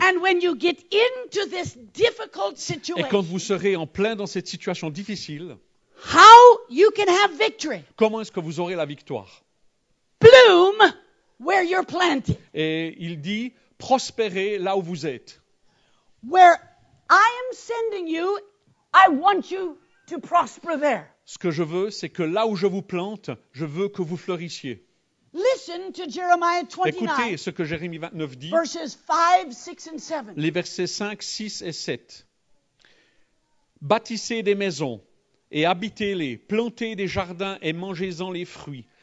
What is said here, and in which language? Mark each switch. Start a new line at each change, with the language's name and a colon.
English: and when you get into this difficult situation,
French: et quand vous serez en plein dans cette situation difficile,
English: how you can have victory.
French: Comment est-ce que vous aurez la victoire?
English: Bloom where you're planted.
French: Et il dit, prospérez là où vous êtes.
English: Where I am sending you, I want you to prosper there.
French: Ce que je veux, c'est que là où je vous plante, je veux que vous fleurissiez.
English: Listen to Jeremiah 29.
French: Écoutez ce que Jérémie 29 dit.
English: Verses 5, 6 and 7.
French: Les versets 5, 6 et 7. Bâtissez des maisons. Et habitez-les, plantez des jardins et mangez-en les fruits.